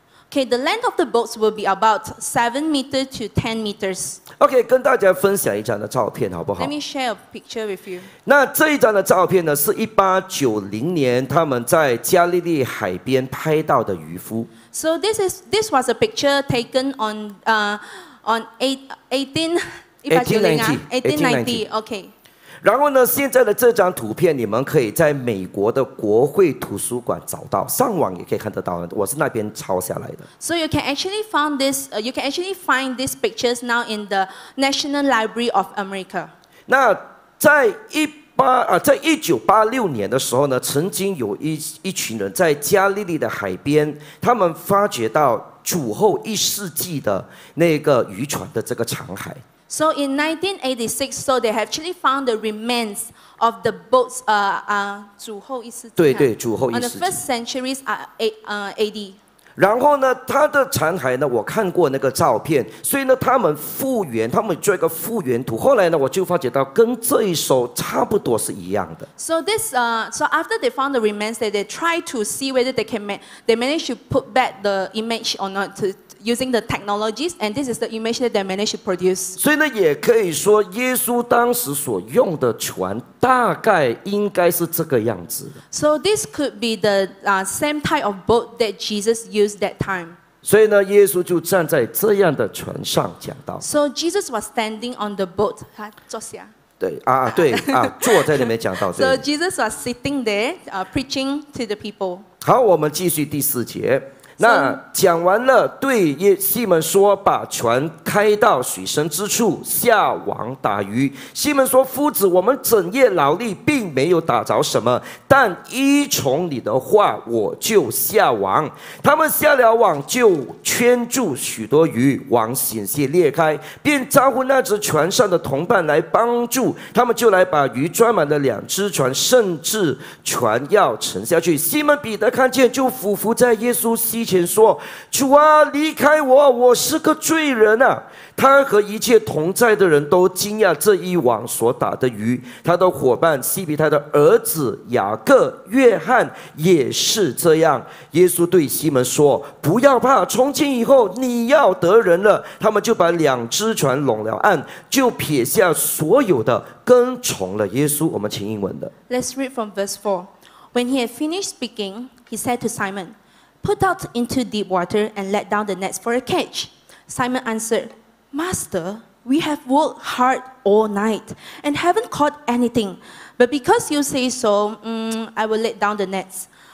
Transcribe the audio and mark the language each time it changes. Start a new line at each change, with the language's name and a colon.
English: Okay, the length of the boats will be about 7 meters to 10 meters.
Chinese: Okay, 跟大家分享一张的照片好不好？
English: Let me share a picture with you.
Chinese: 那这一张的照片呢，是1890年他们在加利利海边拍到的渔夫。
English: So this was a picture taken on 1890. Okay.
Chinese: 然后呢，现在的这张图片你们可以在美国的国会图书馆找到，上网也可以看得到，我是那边抄下来的。
English: So you can actually find this, you can actually find these pictures now in the National Library of America.
Chinese: 那在1986年的时候呢，曾经有一群人在加利利的海边，他们发掘到主后一世纪的那个渔船的这个残骸。
English: So in 1986, so they have actually found the remains of the boats,
Chinese: 主后一世纪。对对，主后一世纪。
English: On the first centuries, AD.
Chinese: 然后呢，它的残骸呢，我看过那个照片，所以呢，他们复原，他们做一个复原图。后来呢，我就发觉到跟这一艘差不多是一样的。
English: So this, so after they found the remains, they try to see whether they managed to put back the image or not to. Using the technologies, and this is the image that they managed to produce.
Chinese: 所以呢，也可以说，耶稣当时所用的船大概应该是这个样子。
English: So this could be the same type of boat that Jesus used that time.
Chinese: 所以呢，耶稣就站在这样的船上讲道。
English: So Jesus was standing on the boat.
Chinese: 他坐下。对啊，对啊，坐在那边讲道。
English: So Jesus was sitting there, preaching to the people.
Chinese: 好，我们继续第四节。那讲完了，对西门说：“把船开到水深之处，下网打鱼。” 西门说：“夫子，我们整夜劳力，并没有打着什么，但依从你的话，我就下网。” 他们下了网，就圈住许多鱼，网险些裂开，便招呼那只船上的同伴来帮助。他们就来把鱼装满了两只船，甚至船要沉下去。西门彼得看见，就俯伏在耶稣膝。以前说主啊离开我，我是个罪人啊。他和一切同在的人都惊讶这一网所打的鱼，他的伙伴西比泰的儿子雅各、约翰也是这样。耶稣对西门说：“不要怕，从今以后你要得人了。” 他们就把两只船拢了岸，就撇下所有的跟从了耶稣。我们请英文的。
English: Let's read from verse 4. When he had finished speaking, he said to Simon. Put out into deep water and let down the nets for a catch. Simon answered, Master, we have worked hard all night and haven't caught anything. But because you say so, I will let down the nets.